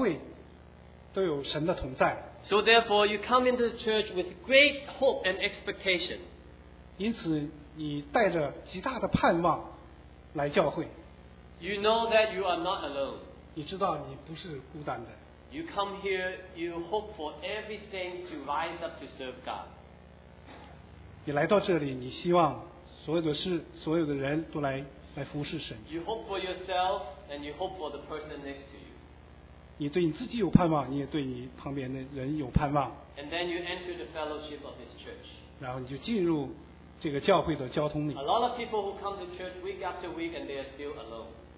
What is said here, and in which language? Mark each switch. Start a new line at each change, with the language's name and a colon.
Chinese: 我们是盼望整个教会都有神的同在。
English: So therefore, you come into the church with great hope and expectation.
Chinese: 因此你带着极大的盼望来教会。
English: You know that you are not alone.
Chinese: 你知道你不是孤单的。
English: You come here, you hope for every saint to rise up to serve God.
Chinese: 你来到这里，你希望 所有的人都来服侍神。
English: You hope for yourself and you hope for the person next to you.
Chinese: 你对你自己有盼望，你也对你旁边的人有盼望。
English: And then you enter the fellowship of his church.
Chinese: 然后你就进入这个教会的交通里。
English: A lot of people who come to church week after week and they are still alone.